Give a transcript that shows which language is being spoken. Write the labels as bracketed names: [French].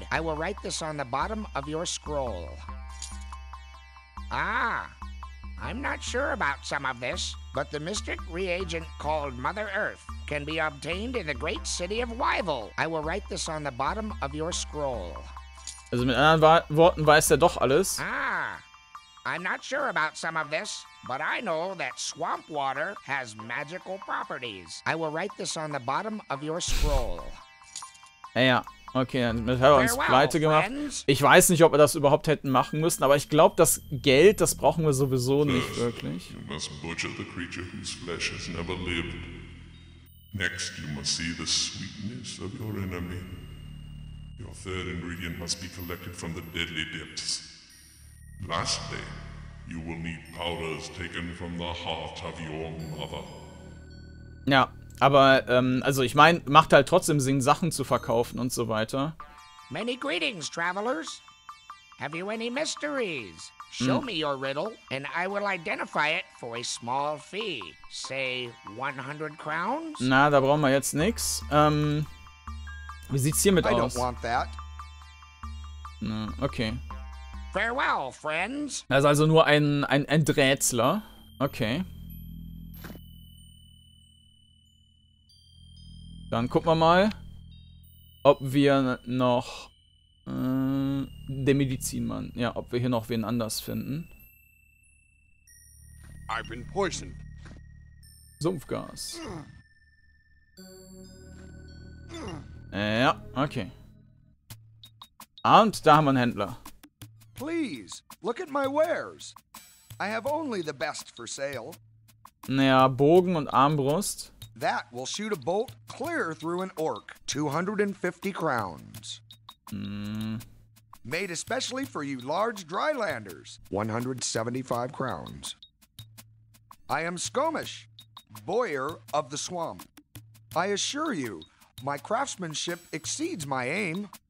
[English] I will write this on the bottom of your scroll. Ah, I'm not sure about some of this, but the mystic reagent called Mother Earth can be obtained in the great city of Wyvil. I will write this on the bottom of your scroll. [German] Also mit anderen Worten weiß er doch alles. [English] Ah, I'm not sure about some of this, but I know that swamp water has magical properties. I will write this on the bottom of your scroll. [German] Ja, okay, dann hat er uns pleite gemacht. Ich weiß nicht, ob wir das überhaupt hätten machen müssen, aber ich glaube, das Geld, das brauchen wir sowieso nicht wirklich. [English] You must butcher the creature whose flesh has never lived. Next, you must see the sweetness of your enemy. Your third ingredient must be collected from the deadly depths. Lastly, you will need powders taken from the heart of your mother. [German] Ja, aber, also ich meine, macht halt trotzdem Sinn, Sachen zu verkaufen und so weiter. [English] Many greetings, travelers. Have you any mysteries? Show me your riddle, and I will identify it for a small fee. Say 100 crowns? [German] Na, da brauchen wir jetzt nix. Wie sieht's hiermit aus? [English] I don't want that. [German] Na, okay. [English] Farewell, friends. [German] Er ist also nur ein Endrätsler. Okay. Dann gucken wir mal, ob wir noch den Medizinmann, ja, ob wir hier noch wen anders finden. [English] I've been poisoned. [German] Sumpfgas. Ja, okay. Und da haben wir einen Händler. [English] Please, look at my wares. I have only the best for sale. [German] Naja, Bogen und Armbrust. [English] That will shoot a bolt clear through an orc. 250 crowns. Made especially for you large drylanders. 175 crowns. I am Skomish, Boyer of the Swamp. I assure you, my craftsmanship exceeds my aim.